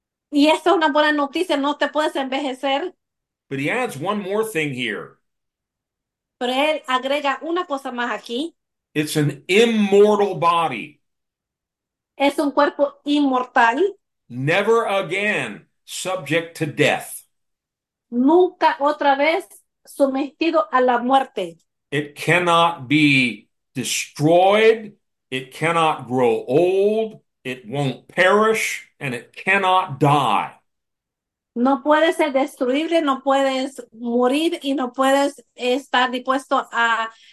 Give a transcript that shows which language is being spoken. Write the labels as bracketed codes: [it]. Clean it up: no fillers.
[es] Y esa es una buena noticia, no te puedes envejecer. [en] But he adds one more thing here. [es] Pero él agrega una cosa más aquí. [en] It's an immortal body. [es] Es un cuerpo inmortal. [en] Never again subject to death. [es] Nunca otra vez sometido a la muerte. [en] It cannot be destroyed. It cannot grow old, it won't perish, and it cannot die. [es] No puedes ser destruible, no puedes morir y no puedes estar dispuesto a